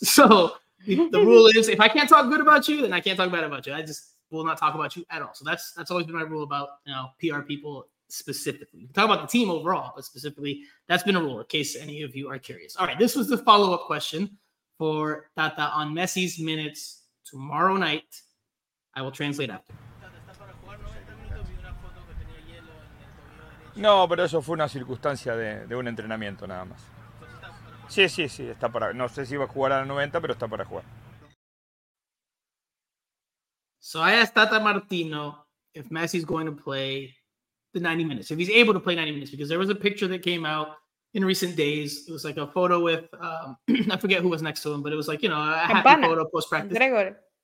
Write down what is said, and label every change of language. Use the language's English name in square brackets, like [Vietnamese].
[English] So the rule is, if I can't talk good about you, then I can't talk bad about you. I just will not talk about you at all. So that's always been my rule about, you know, PR people specifically. We can talk about the team overall, but specifically, that's been a rule, in case any of you are curious. All right, this was the follow-up question for Tata on Messi's minutes tomorrow night. I will translate after. [Spanish] No, pero eso fue una circunstancia de un entrenamiento nada más. Sí, está para. No sé si va a jugar a la 90, pero está para jugar. [English] So I asked Tata Martino if Messi's going to play the 90 minutes, if he's able to play 90 minutes, because there was a picture that came out in recent days. It was like a photo with, I forget who was next to him, but it was like, you know, a happy Campana photo post practice. Gregor.